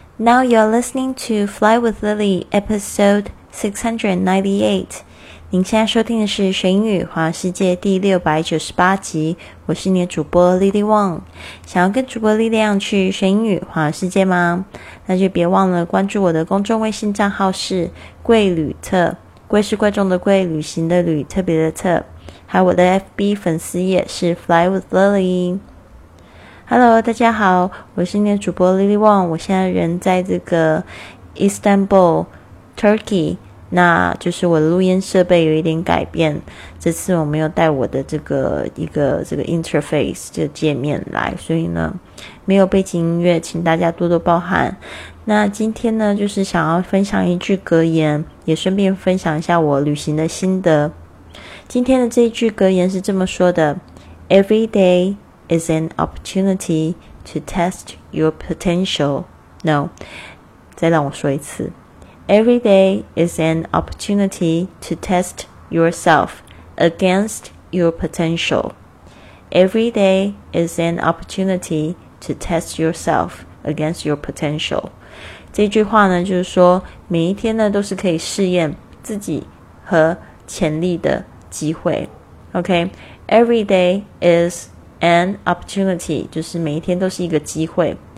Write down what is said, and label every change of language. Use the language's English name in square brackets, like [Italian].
[English] Now you're listening to Fly with Lily, episode 698. [Chinese] 您现在收听的是学英语环游世界第698集。我是你的主播 Lily Wong。想要跟主播力量去学英语环游世界吗？那就别忘了关注我的公众微信账号是贵旅特，贵是贵重的贵，旅行的旅，特别的特。还有我的 FB 粉丝页是 Fly with Lily。 Hello， 大家好，我是你的主播 Lily Wong， 我现在人在这个 Istanbul, Turkey， 那就是我的录音设备有一点改变，这次我没有带我的这个 interface 这个界面来，所以呢，没有背景音乐，请大家多多包涵。那今天呢，就是想要分享一句格言，也顺便分享一下我旅行的心得。今天的这一句格言是这么说的 ： [English] Every day。 Is an opportunity to test your potential. No, [Chinese] 再让我说一次。 [English] Every day is an opportunity to test yourself against your potential. Every day is an opportunity to test yourself against your potential. [Chinese] 这句话呢，就是说每一天呢都是可以试验自己和潜力的机会。 [English] Okay, every day is. An opportunity, [Chinese] 就是每一天都是一个机会。